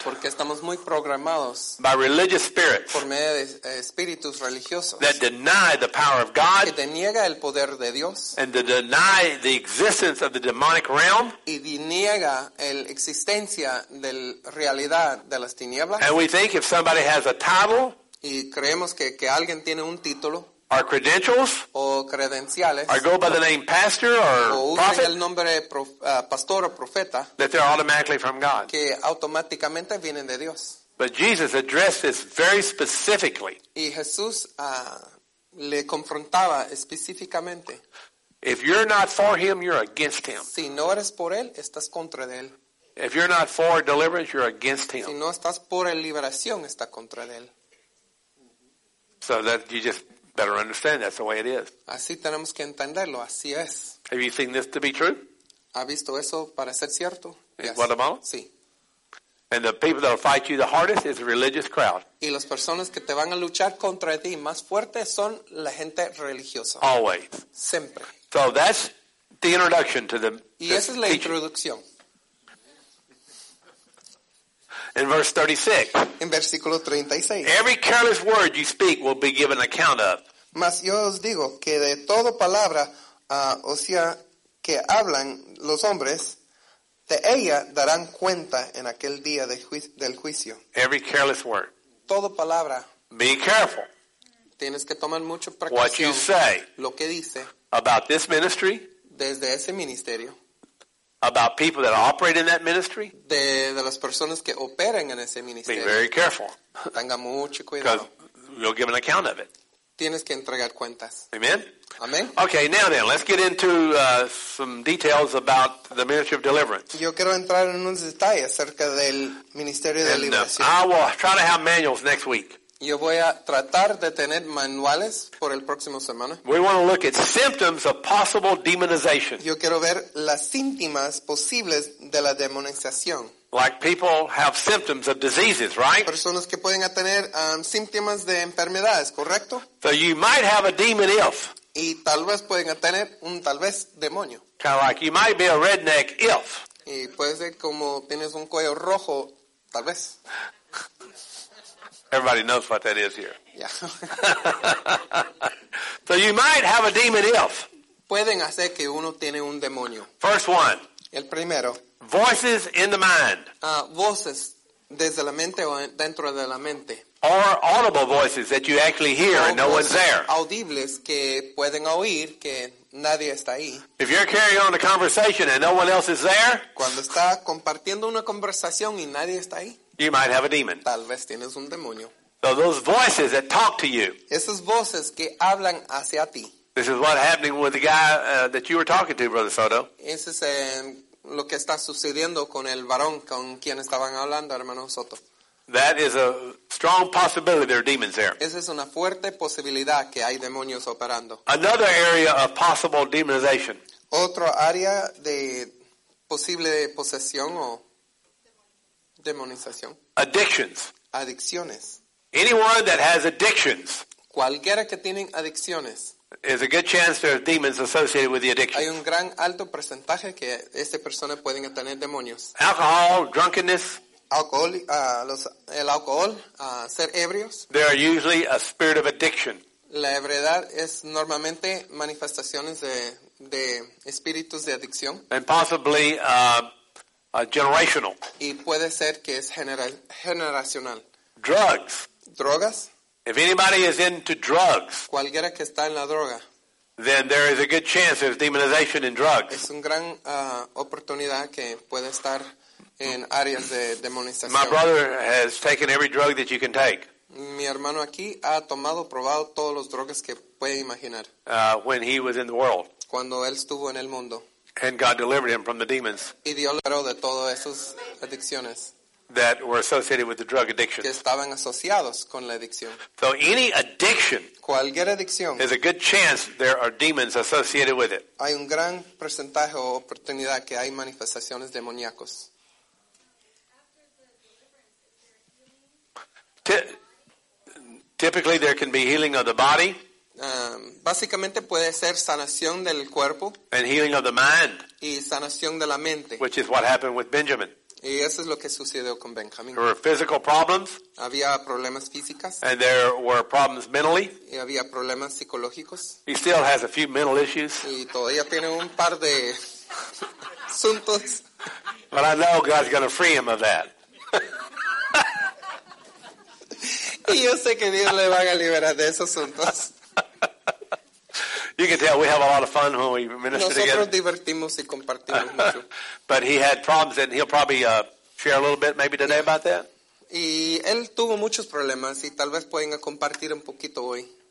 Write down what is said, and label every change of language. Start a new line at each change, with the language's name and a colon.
Spanish: Porque estamos muy programados.
English: By religious spirits.
Spanish: Por medio de espíritus religiosos.
English: That deny the power of God.
Spanish: Que deniega el poder de Dios.
English: And to deny the existence of the demonic realm.
Spanish: Y deniega la existencia de la realidad de las tinieblas.
English: And we think if somebody has a title.
Spanish: Y creemos que alguien tiene un título.
English: our credentials,
Spanish: o credenciales,
English: or go by the name pastor or prophet,
Spanish: el nombre pastor o profeta,
English: that they're automatically from God.
Spanish: Que automáticamente vienen de Dios.
English: But Jesus addressed this very specifically.
Spanish: Y Jesús, le confrontaba específicamente.
English: If you're not for him, you're against him.
Spanish: Si no eres por él, estás contra de él.
English: If you're not for deliverance, you're against him.
Spanish: Si no estás por el liberación, está contra de él.
English: So that you just better understand that's the way it is.
Spanish: Así tenemos que entenderlo, así es.
English: Have you seen this to be true?
Spanish: ¿Ha visto eso para ser cierto?
English: In yes. Guatemala?
Spanish: Sí.
English: And the people that will fight you the hardest is the religious crowd.
Spanish: Y las personas que te van a luchar contra ti más fuerte son la gente religiosa.
English: Always.
Spanish: Siempre.
English: So that's the introduction to the
Spanish: Y esa es la introducción.
English: In verse 36.
Spanish: En versículo 36.
English: Every careless word you speak will be given account of.
Spanish: Mas yo os digo que de toda palabra, o sea, que hablan los hombres, de ella darán cuenta en aquel día de del juicio.
English: Every careless word.
Spanish: Toda palabra.
English: Be careful.
Spanish: Tienes que tomar mucho precaución.
English: What you say.
Spanish: Lo que dice.
English: About this ministry.
Spanish: Desde ese ministerio.
English: About people that operate in that ministry.
Spanish: De las personas que operan en ese ministerio.
English: Be very careful.
Spanish: Tenga mucho cuidado.
English: Because you'll give an account of it.
Spanish: Tienes que entregar cuentas.
English: Amen.
Spanish: Amen.
English: Okay, now then, let's get into some details about the ministry of deliverance.
Spanish: Yo quiero entrar en unos detalles acerca del ministerio de liberación.
English: I will try to have manuals next week.
Spanish: Yo voy a tratar de tener manuales por el próximo semana.
English: We want to look at symptoms of possible demonization.
Spanish: Yo quiero ver las síntomas posibles de la demonización.
English: Like people have symptoms of diseases, right?
Spanish: Personas que pueden tener síntomas de enfermedades, ¿correcto?
English: So you might have a demon if.
Spanish: Y tal vez pueden tener un tal vez demonio.
English: Kind of like you might be a redneck if.
Spanish: Y puede ser como tienes un cuello rojo, tal vez.
English: Everybody knows what that is here. Yeah. So you might have a demon if.
Spanish: Pueden hacer que uno tiene un demonio.
English: First one.
Spanish: El primero.
English: Voices in the mind.
Spanish: Voces desde la mente o dentro de la mente.
English: Or audible voices that you actually hear and no one's there.
Spanish: Audibles que pueden oír que nadie está ahí.
English: If you're carrying on a conversation and no one else is there.
Spanish: Cuando está compartiendo una conversación y nadie está ahí.
English: You might have a demon.
Spanish: Tal vez tienes un demonio.
English: So those voices that talk to you.
Spanish: Esas voces que hablan hacia ti.
English: This is what happening with the guy that you were talking to, Brother Soto.
Spanish: Ese es lo que está sucediendo con el varón con quien estaban hablando, hermano Soto.
English: That is a strong possibility there are demons there.
Spanish: Esa es una fuerte posibilidad que hay demonios operando.
English: Another area of possible demonization.
Spanish: Otro área de posible posesión o demonización.
English: Addictions.
Spanish: Adicciones.
English: Anyone that has addictions.
Spanish: Cualquiera que tienen adicciones.
English: There's a good chance there are demons associated with the addiction.
Spanish: Hay un gran alto porcentaje que esta persona pueden tener demonios.
English: Alcohol, drunkenness.
Spanish: Alcohol, el alcohol, ser ebrios.
English: They are usually a spirit of addiction.
Spanish: La ebriedad es normalmente manifestaciones de espíritus de adicción.
English: And possibly generational.
Spanish: Y puede ser que es generacional.
English: Drugs.
Spanish: Drogas.
English: If anybody is into drugs,
Spanish: cualquiera que está en la droga,
English: then there is a good chance there's demonization in drugs.
Spanish: Es un gran oportunidad que puede estar en áreas de demonización.
English: My brother has taken every drug that you can take.
Spanish: Mi hermano aquí ha tomado, probado todos los drogas que puede imaginar.
English: When he was in the world.
Spanish: Cuando él estuvo en el mundo.
English: And God delivered him from the demons.
Spanish: Y Dios lo liberó de todas esas adicciones.
English: That were associated with the drug addiction.
Spanish: Que estaban asociados con la adicción.
English: So any addiction.
Spanish: Cualquier adicción.
English: There's a good chance there are demons associated with it.
Spanish: Hay un gran porcentaje o oportunidad que hay manifestaciones demoníacas.
English: Typically there can be healing of the body.
Spanish: Básicamente puede ser sanación del cuerpo.
English: And healing of the mind.
Spanish: Y sanación de la mente.
English: Which is what happened with Benjamin.
Spanish: Y eso es lo que sucedió con Benjamín.
English: There were physical problems.
Spanish: Había problemas físicas.
English: And there were problems mentally.
Spanish: Y había problemas psicológicos.
English: He still has a few mental issues.
Spanish: Y todavía tiene un par de asuntos.
English: But I know God's going to free him of that.
Spanish: Y yo sé que Dios le va a liberar de esos asuntos.
English: You can tell we have a lot of fun when we minister
Spanish: Nosotros Divertimos y compartimos mucho.
English: But he had problems, and he'll probably share a little bit maybe today about that.
Spanish: Y él tuvo muchos problemas, y tal vez pueden compartir un poquito hoy.